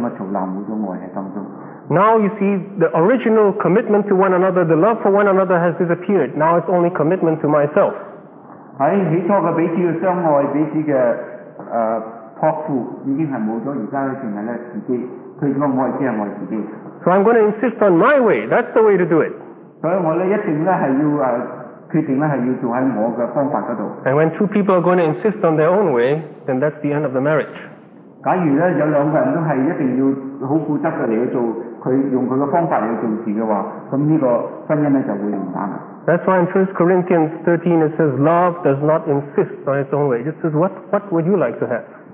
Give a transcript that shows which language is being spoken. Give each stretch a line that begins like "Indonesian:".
English: Now you see, the original commitment to one another, the love for one another has disappeared. Now it's only commitment to myself.
Chinese: 在起初的彼此的相爱，彼此的托付已经是没了，现在成为了自己，他的爱只是爱自己。
English: So I'm going to insist on my way, that's the way to do it.
Chinese: 所以我一定是要决定是要做在我的方法那里。
English: And when two people are going to insist on their own way, then that's the end of the marriage.
Chinese: 假如呢有两个人都是一定要很固执的来做用他的方法来做事的话，那这个婚姻就会完蛋了。
English: That's why in 1 Corinthians 13 it says, love does not insist on its own way. It says, what would you like to have?